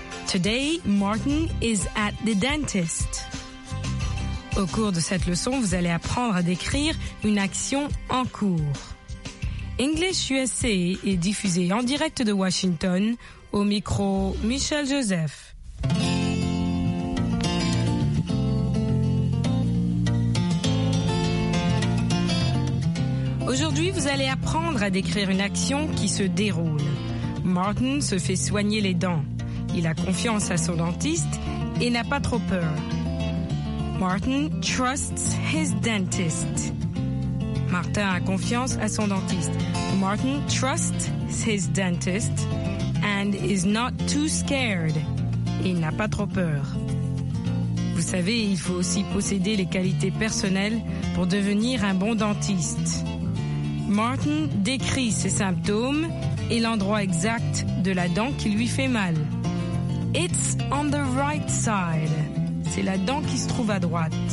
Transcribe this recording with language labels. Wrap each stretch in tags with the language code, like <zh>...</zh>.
<en>Today, Martin is at the dentist.</en> <fr>Au cours de cette leçon, vous allez apprendre à décrire une action en cours. English USA est diffusé en direct de Washington au micro Michel Joseph. Aujourd'hui, vous allez apprendre à décrire une action qui se déroule. Martin se fait soigner les dents. Il a confiance à son dentiste et n'a pas trop peur.</fr> <en>Martin trusts his dentist.</en> <fr>Martin a confiance à son dentiste.</fr> <en>Martin trusts his dentist and is not too scared.</en> <fr>Il n'a pas trop peur. Vous savez, il faut aussi posséder les qualités personnelles pour devenir un bon dentiste. Martin décrit ses symptômes et l'endroit exact de la dent qui lui fait mal.</fr> <en>It's on the right side.</en> <fr>C'est la dent qui se trouve à droite.</fr>